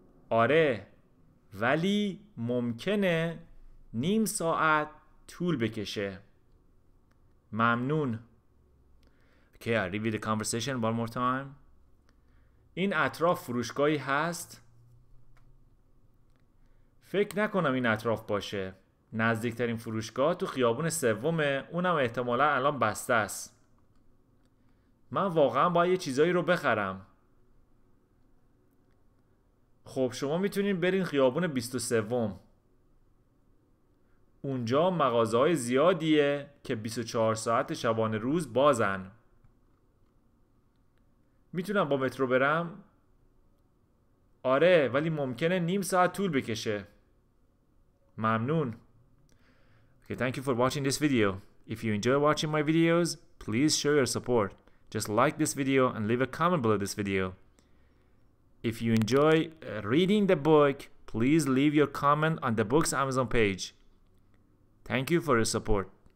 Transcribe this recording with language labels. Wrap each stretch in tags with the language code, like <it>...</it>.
<fa>آره، ولی ممکنه نیم ساعت طول بکشه. ممنون.</fa> <en>Okay, I'll review the conversation one more time.</en> <fa>این اطراف فروشگاهی هست؟ فکر نکنم این اطراف باشه. نزدیکترین فروشگاه تو خیابون سومه. اونم احتمالا الان بسته است. من واقعا باید یه چیزایی رو بخرم. خب شما میتونین برین خیابون 23. اونجا مغازه‌های زیادیه که 24 ساعت شبانه روز بازن. میتونم با مترو برم؟ آره، ولی ممکنه نیم ساعت طول بکشه. ممنون.</fa> <en>Okay, thank you for watching this video. If you enjoy watching my videos, please show your support. Just like this video and leave a comment below this video. If you enjoy reading the book, please leave your comment on the book's Amazon page. Thank you for your support.</en>